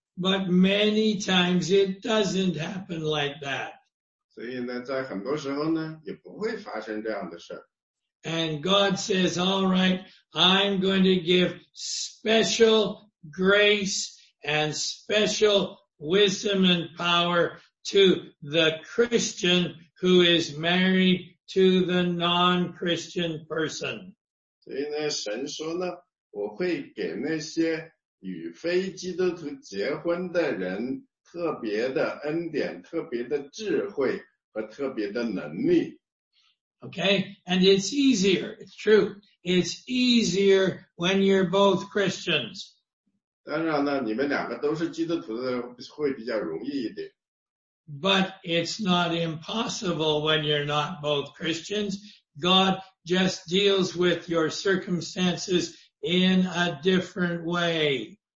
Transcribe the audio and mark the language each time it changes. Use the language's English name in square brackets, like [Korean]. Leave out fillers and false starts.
[English] But many times it doesn't happen like that. [Chinese] 所以呢，在很多时候呢，也不会发生这样的事。 [English] And God says, all right, I'm going to give special grace and special wisdom and power to the Christian who is married to the non-Christian person. [Chinese] 所以呢神说呢，我会给那些与非基督徒结婚的人特别的恩典，特别的智慧和特别的能力。 [English] Okay, and it's easier, it's true, it's easier when you're both Christians. [Chinese] 当然呢，你们两个都是基督徒的会比较容易一点。 [English] But it's not impossible when you're not both Christians. God just deals with your circumstances in a different way.